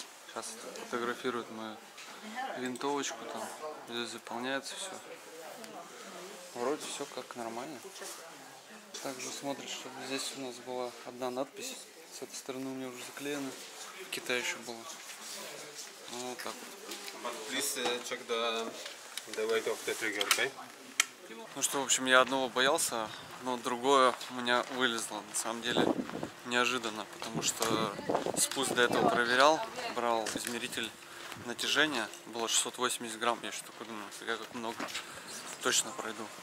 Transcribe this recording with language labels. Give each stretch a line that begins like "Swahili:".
Russian: Сейчас фотографируют мою винтовочку, там здесь заполняется все. Вроде все как нормально. Также смотрят, чтобы здесь у нас была одна надпись. С этой стороны у меня уже заклеена. в Китае еще было. Ну вот так вот.
English: But please check the weight of the trigger, okay?
Russian: Ну что, в общем, я одного боялся, но другое у меня вылезло, на самом деле, неожиданно, потому что спуск до этого проверял, брал измеритель натяжения, было 680 грамм, я еще такой думаю, как много, точно пройду.